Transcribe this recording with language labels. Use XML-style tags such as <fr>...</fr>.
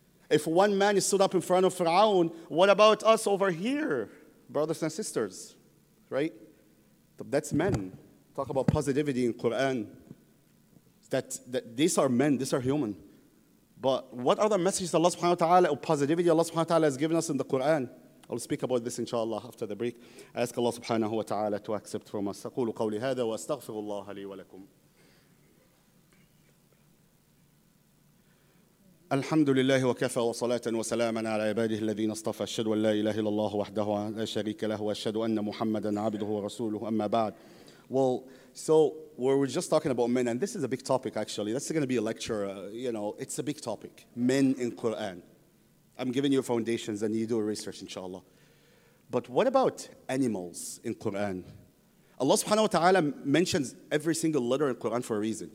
<en>If one man is stood up in front of Fir'aun, what about us over here, brothers and sisters? Right? That's men. Talk about positivity in Quran. That these are men, these are human. But what are the messages Allah subhanahu wa ta'ala, or positivity Allah subhanahu wa ta'ala has given us in the Quran? I'll speak about this inshallah after the break. I ask Allah subhanahu wa ta'ala to accept from us.</en> <ar>أقول قولي هذا وأستغفر الله لي ولكم. الحمد لله وكفى وصلاة وسلاما على عباده الذين اصطفى. أشهد أن لا إله إلا الله وحده لا شريك له وأشهد أن محمدا عبده ورسوله. أما بعد.</ar> <en>Well, so we were just talking about men, and this is a big topic actually. That's going to be a lecture. You know, it's a big topic. Men in Quran. I'm giving you foundations and you do research inshallah. But what about animals in Quran? Allah subhanahu wa ta'ala mentions every single letter in Quran for a reason.</en>